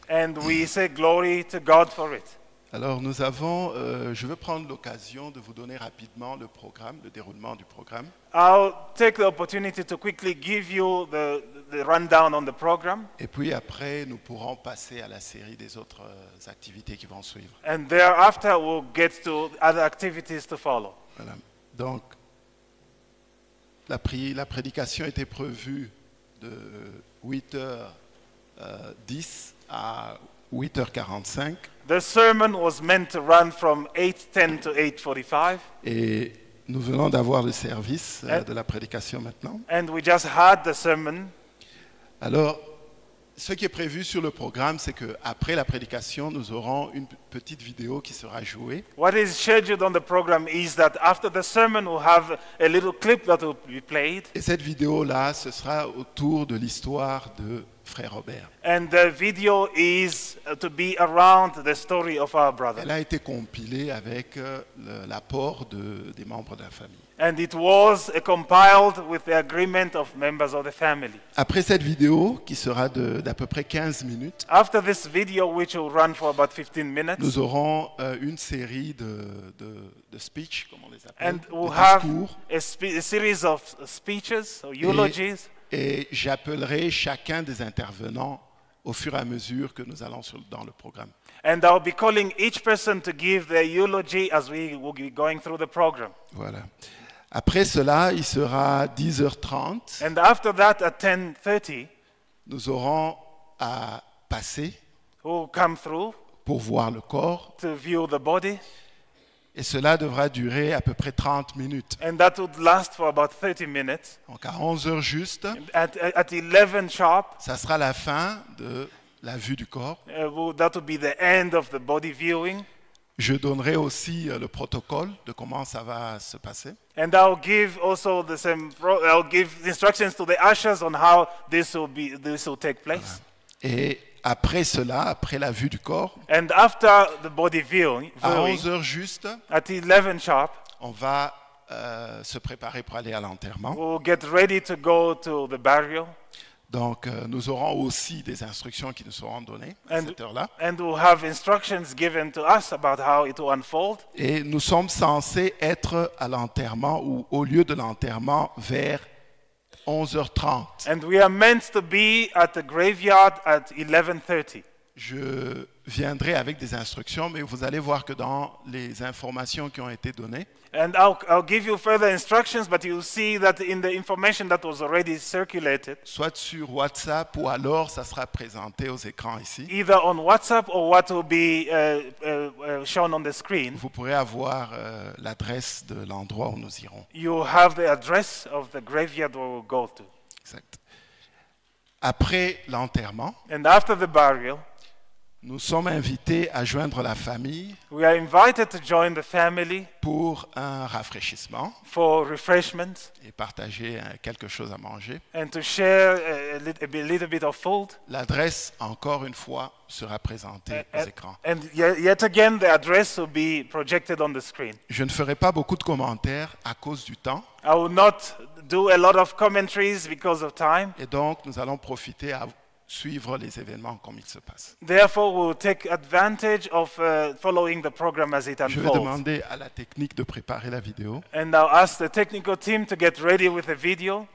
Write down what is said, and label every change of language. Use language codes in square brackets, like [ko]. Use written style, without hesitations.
[en] And we say glory to God for it. [fr] Alors nous avons, je veux prendre l'occasion de vous donner rapidement le programme, le déroulement du programme. [en] I'll take the opportunity to quickly give you the rundown on the program. [fr] Et puis après, nous pourrons passer à la série des autres activités qui vont suivre. [en] And thereafter, we'll get to other activities to follow. [fr] Voilà. Donc, la prédication était prévue de 8h10 à 8h45. [en] The sermon was meant to run from 8:10 to 8:45. [fr] Et nous venons d'avoir le service de la prédication maintenant. [en] And we just had the sermon. [fr] Alors, ce qui est prévu sur le programme, c'est que après la prédication, nous aurons une petite vidéo qui sera jouée. [en] What is scheduled on the program is that after the sermon, we'll have a little clip that will be played. [fr] Et cette vidéo là, ce sera autour de l'histoire de Frère Robert. [en] And the video is to be around the story of our brother. [fr] Elle a été compilée avec l'apport des membres de la famille. [en] And it was compiled with the agreement of members of the family. [fr] Après cette vidéo qui sera d'à peu près 15 minutes. [en] After this video which will run for about 15 minutes. [fr] Nous aurons une série de speech, comment on les appelle. [en] And we'll have a series of speeches or eulogies. [fr] Et j'appellerai chacun des intervenants au fur et à mesure que nous allons dans le programme. [en] And I'll be calling each person to give their eulogy as we will be going through the program. [fr] Voilà. Après cela, il sera 10h30. [en] And after that, at 10:30, [fr] nous aurons à passer [en] we'll come through [fr] pour voir le corps. [en] To view the body. [fr] Et cela devra durer à peu près 30 minutes. [en] And that would last for about 30 minutes. [fr] Donc à 11h juste, [en] at 11 sharp, [fr] ça sera la fin de la vue du corps. [en] That would be the end of the body viewing. [fr] Je donnerai aussi le protocole de comment ça va se passer. [en] And I'll give also the same I'll give instructions to the ushers on how this will take place. [fr] Et après cela, après la vue du corps, [en] and after the body viewing, [fr] à 11h juste, [en] at 11 sharp, [fr] on va se préparer pour aller à l'enterrement. [en] We'll get ready to go to the burial. [fr] Donc, nous aurons aussi des instructions qui nous seront données à cette heure-là. [en] And we'll have instructions given to us about how it will unfold. [fr] Et nous sommes censés être à l'enterrement ou au lieu de l'enterrement vers 11h30. [en] And we are meant to be at the graveyard at 11:30. [fr] Je viendrai avec des instructions, mais vous allez voir que dans les informations qui ont été données. [en] And I'll give you further instructions, but you'll see that in the information that was already circulated. [fr] Soit sur WhatsApp ou alors ça sera présenté aux écrans ici. [en] Either on WhatsApp or what will be shown on the screen. [fr] Vous pourrez avoir l'adresse de l'endroit où nous irons. [en] You have the address of the graveyard where we'll go to. [fr] Exact. Après l'enterrement. [en] And after the burial. [fr] Nous sommes invités à joindre la famille. [en] We are invited to join the family [fr] pour un rafraîchissement. [en] For refreshment. [fr] Et partager quelque chose à manger. [en] And to share a little bit of food. [fr] L'adresse, encore une fois, sera présentée aux écrans. [en] And yet again, the address will be projected on the screen. [fr] Je ne ferai pas beaucoup de commentaires à cause du temps. [en] I will not do a lot of commentaries because of time. [fr] Et donc, nous allons profiter suivre les événements comme ils se passent. [en] Therefore, we'll take advantage of following the program as it unfolds. [fr] Je vais demander à la technique de préparer la vidéo. [en] And I'll ask the technical team to get ready with the video.